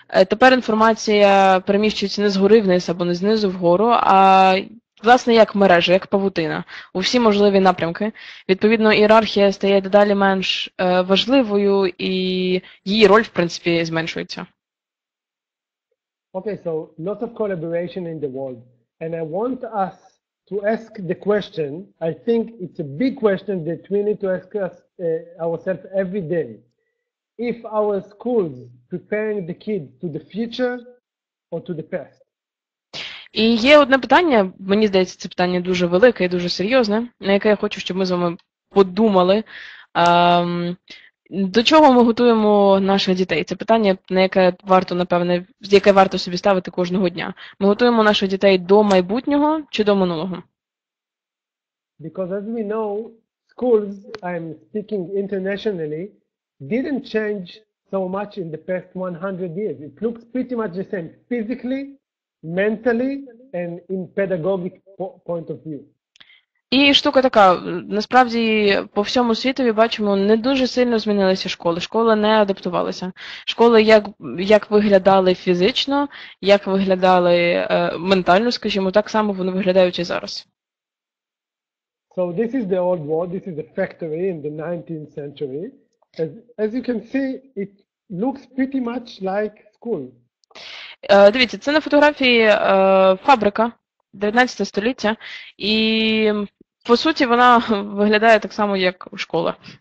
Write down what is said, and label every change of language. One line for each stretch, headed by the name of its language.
Ukrainian: Тепер інформація переміщується не згори вниз або не знизу вгору, а, власне, як мережа, як павутина у всі можливі напрямки. Відповідно, ієрархія стає дедалі менш важливою і її роль, в принципі, зменшується.
English: Okay, so lots of collaboration in the world. And I want us to ask the question, I think it's a big question that we need to ask us ourselves every day. If our schools preparing the kids to the future or to the past?
Ukrainian: І є одне питання, мені здається, це питання дуже велике і дуже серйозне, на яке я хочу, щоб ми з вами подумали. До чого ми готуємо наших дітей? Це питання, на яке варто, напевне, з яке варто собі ставити кожного дня. Ми готуємо наших дітей до майбутнього чи до минулого?
English: Because as we know, schools, I'm speaking internationally, didn't change so much in the past 100 years. It looks pretty much the same physically, mentally and in pedagogic point of view.
Ukrainian: І штука така, насправді по всьому світу бачимо, не дуже сильно змінилися школи, школи не адаптувалися. Школи як виглядали фізично, як виглядали ментально, скажімо, так само вони виглядають і зараз.
English: So this is the old world, this is the factory in the 19th century. As you can see, it looks pretty much like school.
Ukrainian: Дивіться, це на фотографії фабрика 19 століття і по суті, вона виглядає так само, як у школі.